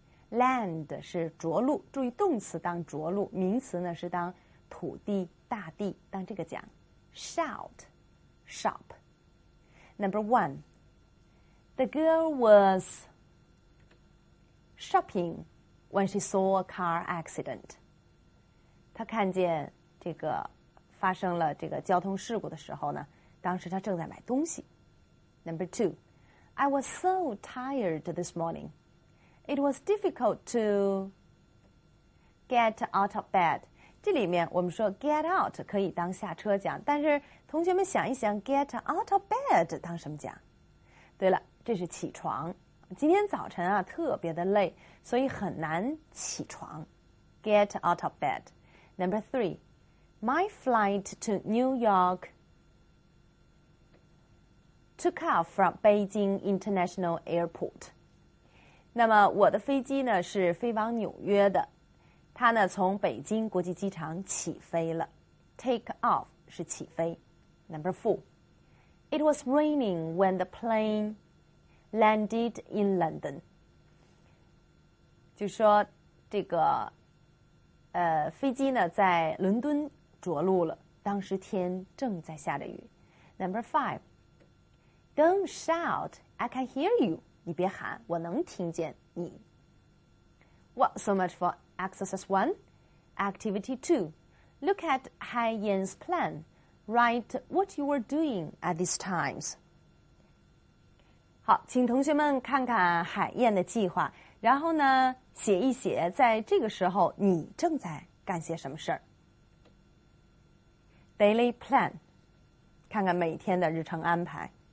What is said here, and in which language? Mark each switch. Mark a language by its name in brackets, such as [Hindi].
[Chinese] Land 是着陆，注意动词当着陆，名词呢是当土地、大地，当这个讲。 [English] Shout, shop. Number one, the girl was shopping when she saw a car accident. [Chinese] 她看见这个发生了这个交通事故的时候呢，当时她正在买东西。 [English] Number two, I was so tired this morning. It was difficult to get out of bed. [Chinese] 这里面我们说 get out 可以当下车讲，但是同学们想一想 [English] get out of bed [Chinese] 当什么讲？对了，这是起床。今天早晨啊，特别的累，所以很难起床。 [English] Get out of bed. Number three, my flight to New York took off from Beijing International Airport. [Chinese] 那么我的飞机呢是飞往纽约的，它呢从北京国际机场起飞了。 Take off 是起飞。 [English] Number four, it was raining when the plane landed in London. [Chinese] 就说这个飞机呢在伦敦着陆了，当时天正在下着雨。 [English] Number five, don't shout, I can hear you. [Chinese] 你别喊，我能听见你。 [English] Well, so much for exercise one. Activity two, look at Hai Yan's plan. Write what you were doing at these times. [Chinese] 好，请同学们看看海燕的计划，然后呢，写一写在这个时候你正在干些什么事儿。 [English] Daily plan, [Chinese] 看看每天的日程安排。